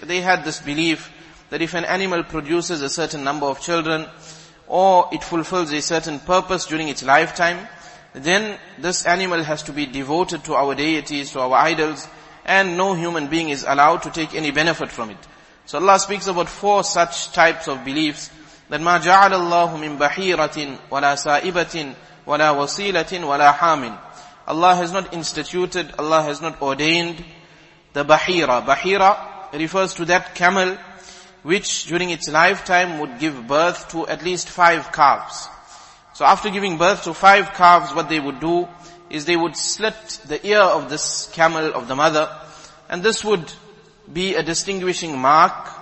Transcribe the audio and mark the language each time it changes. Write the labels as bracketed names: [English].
[English] They had this belief that if an animal produces a certain number of children, or it fulfills a certain purpose during its lifetime, then this animal has to be devoted to our deities, to our idols, and no human being is allowed to take any benefit from it. So Allah speaks about four such types of beliefs. That [Arabic] ما جعل الله من بحيرة ولا سائبة ولا وصيلة ولا حام. [English] Allah has not instituted, Allah has not ordained the bahira. Bahira refers to that camel which during its lifetime would give birth to at least 5 calves. So after giving birth to 5 calves, what they would do is they would slit the ear of this camel of the mother, and this would be a distinguishing mark.